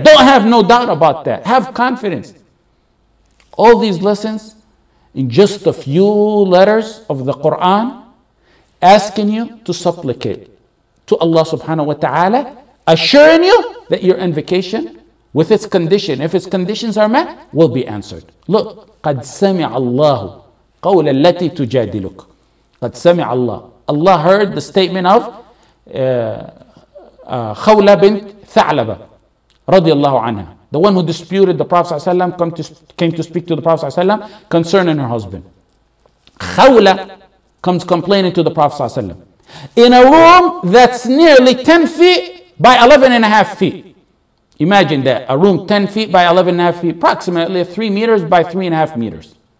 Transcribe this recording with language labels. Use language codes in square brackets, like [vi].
[en] Don't have no doubt about that. Have confidence. All these lessons in just a few letters of the Quran asking you to supplicate to Allah subhanahu wa ta'ala, assuring you that your invocation with its condition, if its conditions are met, will be answered. Look, [ar] قَدْ سَمِعَ اللَّهُ قَوْلَ الَّتِي تُجَادِلُكُ. قَدْ سَمِعَ اللَّهُ. [en] Allah heard the statement of خَوْلَ بِنْتْ ثَعْلَبَ [ar] رَضِيَ اللَّهُ عَنْهَا. [en] The one who disputed the Prophet ﷺ, came to speak to the Prophet ﷺ concerning her husband. خَوْلَ comes complaining to the Prophet ﷺ in a room that's nearly 10 feet by 11 and a half feet. Imagine that, a room 10 feet by 11 and a half feet, approximately 3 meters by 3 and a half meters.